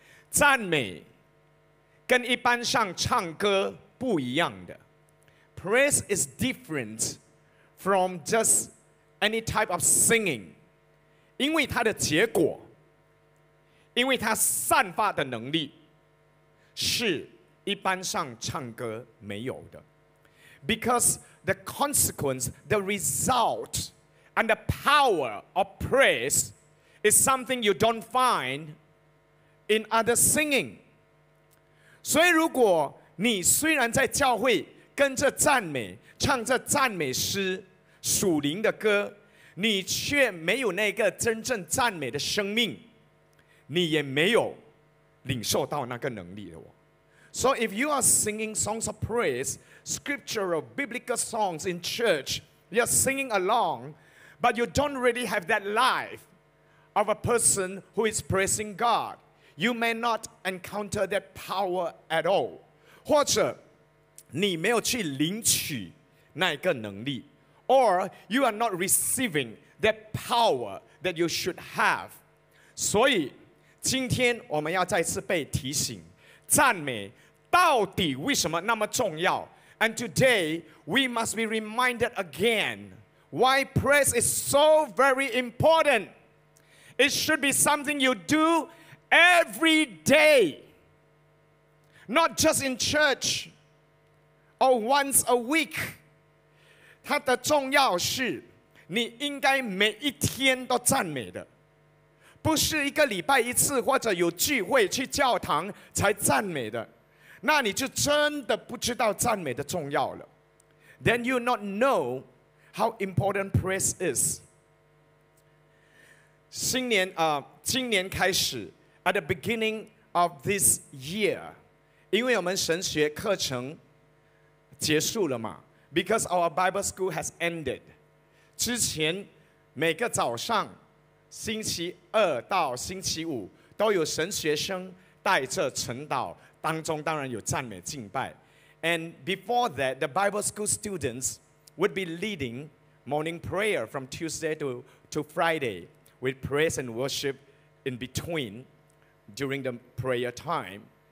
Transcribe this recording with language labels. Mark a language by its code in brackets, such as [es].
[zh] 赞美跟一般上唱歌不一样的 [en] ，praise is different from just any type of singing. [zh] 因为它的结果，因为它散发的能力，是一般上唱歌没有的。 [en] Because the consequence, the result, and the power of praise is something you don't find in other singing. [zh] 所以如果你虽然在教会跟着赞美，唱着赞美诗，属灵的歌，你却没有那个真正赞美的生命，你也没有领受到那个能力的哦。 [en] So if you are singing songs of praise, scriptural, biblical songs in church, you're singing along, but you don't really have that life of a person who is praising God. You may not encounter that power at all. [zh] 或者你没有去领取那个能力， [en] or you are not receiving that power that you should have. [zh] 所以今天我们要再次被提醒，赞美到底为什么那么重要？ [en] And today, we must be reminded again why praise is so very important. It should be something you do every day. Not just in church or once a week. [zh] 它的重要是你应该每一天都赞美的。不是一个礼拜一次或者有聚会去教堂才赞美的。那你就真的不知道赞美的重要了。 [en] Then you not know how important praise is. [zh] 今年开始 [en] ，at the beginning of this year， [zh] 因为我们神学课程结束了嘛 [en] ，because our Bible school has ended。 [zh] 之前每个早上，星期二到星期五都有神学生带着晨祷。当中当然有赞美敬拜 [en] And before that, the Bible school students would be leading morning prayer from Tuesday to Friday with praise and worship in between during the prayer time.